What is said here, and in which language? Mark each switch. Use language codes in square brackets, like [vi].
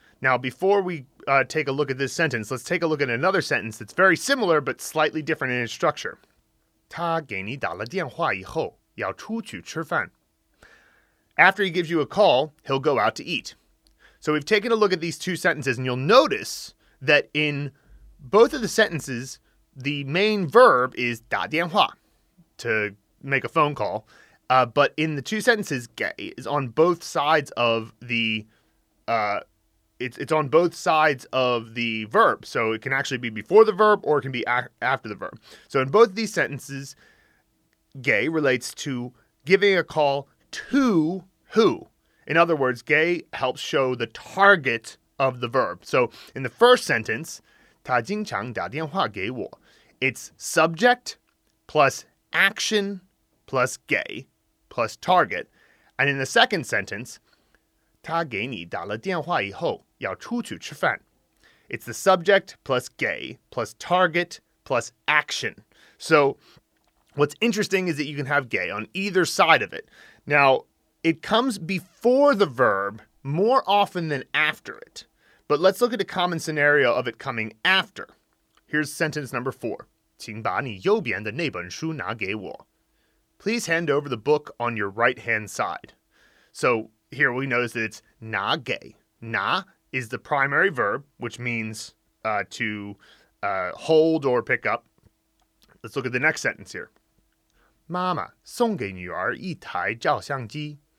[en] Now, before we take a look at this sentence, let's take a look at another sentence that's very similar but slightly different in its structure. [zh] 他给你打了电话以后要出去吃饭. [en] After he gives you a call, he'll go out to eat. So we've taken a look at these two sentences, and you'll notice that in both of the sentences, the main verb is 打电话, to make a phone call. But in the two sentences, gay is on both sides of the it's on both sides of the verb. So it can actually be before the verb or it can be after the verb. So in both these sentences, gay relates to giving a call to who. In other words, gay helps show the target of the verb. So in the first sentence, [zh] 他经常打电话给我, [en] it's subject plus action plus gay plus target. And in the second sentence, [zh] 他给你打了电话以后要出去吃饭. [en] It's the subject plus gay plus target plus action. So what's interesting is that you can have gay on either side of it. Now, it comes before the verb more often than after it. But let's look at a common scenario of it coming after. Here's sentence number four. [zh] 请把你右边的那本书拿给我. [en] Please hand over the book on your right-hand side. So here we notice that it's 拿给. 拿 is the primary verb, which means to hold or pick up. Let's look at the next sentence here. [zh] 妈妈送给女儿一台照相机.